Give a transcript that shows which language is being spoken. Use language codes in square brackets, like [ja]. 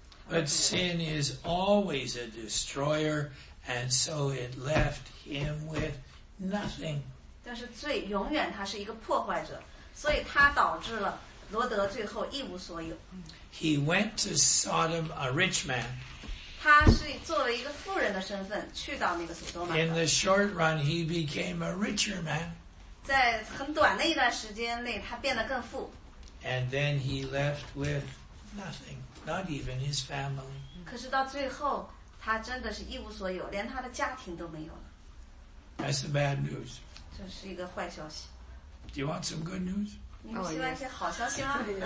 [en] but sin is always a destroyer, and so it left him with nothing. [zh] 但是罪永远他是一个破坏者, 所以他导致了罗德最后一无所有。 [en] He went to Sodom, a rich man. [zh] 他是作为一个富人的身份, 去到那个索多玛的。 [en] In the short run, he became a richer man. [zh] 在很短的一段时间内, 他变得更富。 [en] And then he left with nothing, not even his family. [zh] 可是到最后, 他真的是一无所有, 连他的家庭都没有了。 [en] That's the bad news. [zh] 这是一个坏消息。 [en] Do you want some good news? [zh] 你不希望一些好消息吗?